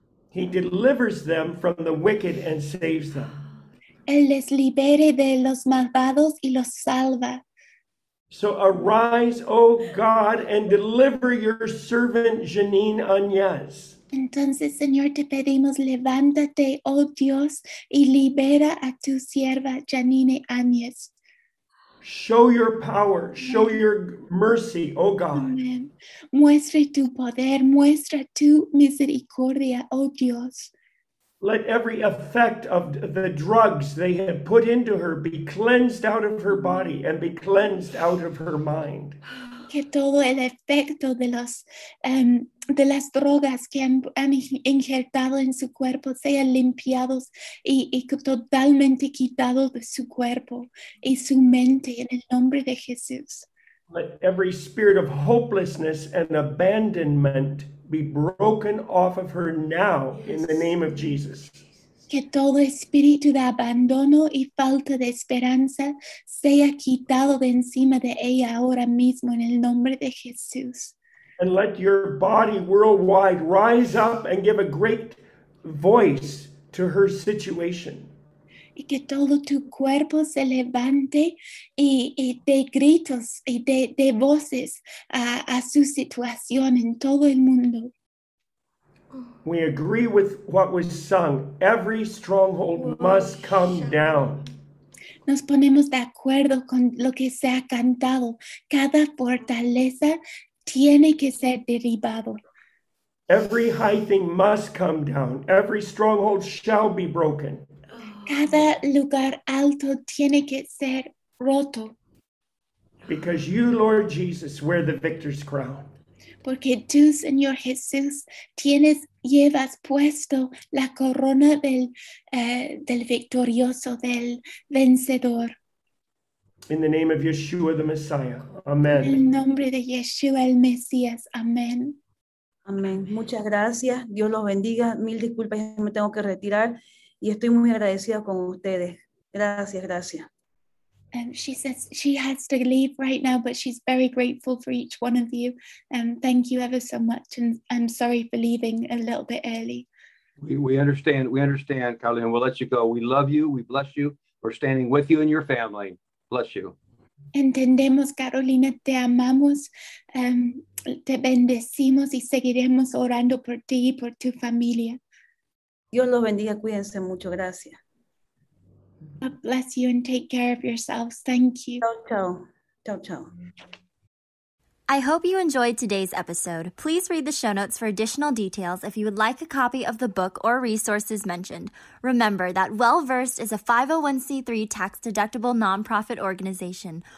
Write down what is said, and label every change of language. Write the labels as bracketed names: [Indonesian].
[English] He delivers them from the wicked and saves them. [Spanish] Él les libere de los malvados y los salva. [English] So arise, O God, and deliver your servant Janine Añez. [Spanish] Entonces, Señor, te pedimos, levántate, oh Dios, y libera a tu sierva, Janine Añez. [English] Show your power, show your mercy, oh God. [Spanish] Amen. Muestre tu poder, muestra tu misericordia, oh Dios. [English] Let every effect of the drugs they have put into her be cleansed out of her body and be cleansed out of her mind. [Spanish] Que todo el efecto de las drogas que han injertado en su cuerpo sean limpiados y totalmente quitados de su cuerpo y su mente en el nombre de Jesús. [English] Let every spirit of hopelessness and abandonment be broken off of her now, yes, in the name of Jesus. [Spanish] Que todo espíritu de abandono y falta de esperanza sea quitado de encima de ella ahora mismo en el nombre de Jesús. [English] And let your body worldwide rise up and give a great voice to her situation. [Spanish] Y que todo tu cuerpo se levante y de gritos y de voces a su situación en todo el mundo. [English] We agree with what was sung. Every stronghold must come down. [Spanish] Nos ponemos de acuerdo con lo que se ha cantado. Cada fortaleza tiene que ser derribado. [English] Every high thing must come down. Every stronghold shall be broken. [Spanish] Cada lugar alto tiene que ser roto. [English] Because you, Lord Jesus, wear the victor's crown. [Spanish] Porque tú, Señor Jesús, llevas puesto la corona del victorioso, del vencedor. [English] In the name of Yeshua the Messiah. Amen. [Spanish] En el nombre de Yeshua el Mesías. Amén. Amén. Muchas gracias. Dios los bendiga. Mil disculpas, me tengo que retirar. Y estoy muy agradecida con ustedes. Gracias, gracias. [English] She says she has to leave right now, but she's very grateful for each one of you. Thank you ever so much. And I'm sorry for leaving a little bit early. We understand. We understand, Carolina. We'll let you go. We love you. We bless you. We're standing with you and your family. Bless you. [Spanish] Entendemos, Carolina. Te amamos. Te bendecimos y seguiremos orando por ti y por tu familia. Dios los bendiga. Cuídense mucho. Gracias. [English] God bless you and take care of yourselves. Thank you. [Italian] Ciao, ciao. [English] I hope you enjoyed today's episode. Please read the show notes for additional details if you would like a copy of the book or resources mentioned. Remember that Well-Versed is a 501c3 tax-deductible nonprofit organization.